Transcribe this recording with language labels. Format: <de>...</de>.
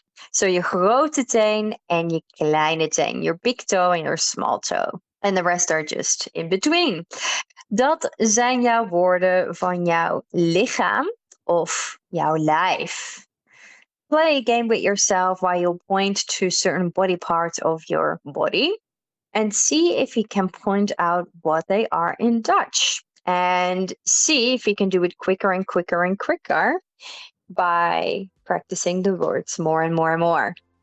<en>So</en> <nl>je grote teen</nl> <en>and</en> <nl>je kleine teen,</nl> <en>your big toe and your small toe. And the rest are just in between.</en> <nl>Dat zijn jouw woorden van jouw lichaam. Of jouw lijf.</nl> <en>Play a game with yourself while you point to certain body parts of your body and see if you can point out what they are in Dutch and see if you can do it quicker and quicker and quicker by practicing the words more and more and more.</en>